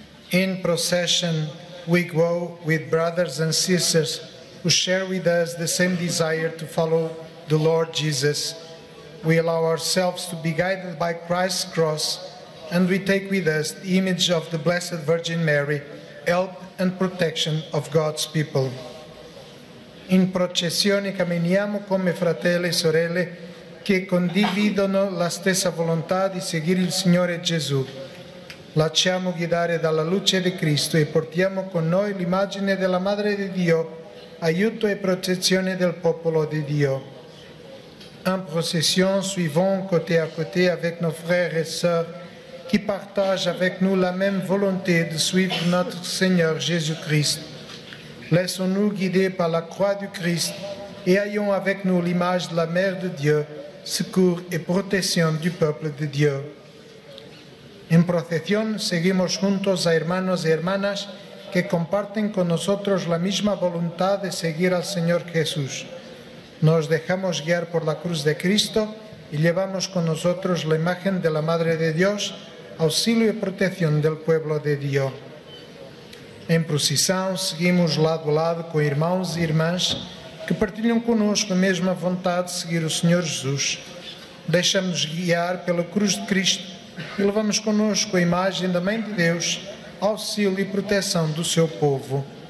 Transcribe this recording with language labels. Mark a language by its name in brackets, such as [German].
[English] In procession, we go with brothers and sisters who share with us the same desire to follow the Lord Jesus. We allow ourselves to be guided by Christ's cross, and we take with us the image of the Blessed Virgin Mary, help and protection of God's people. [Italian] In processione camminiamo come fratelli e sorelle che condividono la stessa volontà di seguire il Signore Gesù. Lasciamo guidare dalla luce di Cristo e portiamo con noi l'immagine della Madre di Dio, aiuto e protezione del popolo di Dio. [French] En procession, suivons côté à côté avec nos frères et sœurs qui partagent avec nous la même volonté de suivre notre Seigneur Jésus-Christ. Laissons-nous guider par la croix du Christ et ayons avec nous l'image de la Mère de Dieu, secours et protection du peuple de Dieu. [Spanish] En procession, seguimos juntos a hermanos y hermanas que comparten con nosotros la misma voluntad de seguir al Señor Jesús. Nos dejamos guiar por la cruz de Cristo y llevamos con nosotros la imagen de la Madre de Dios, auxilio y protección del pueblo de Dios. [Portuguese] En procissão, seguimos lado a lado con irmãos y irmãs que partilham conosco a mesma vontade de seguir o Senhor Jesús. Deixamos guiar pela cruz de Cristo e levamos conosco a imagem da Mãe de Deus, auxílio e proteção do seu povo.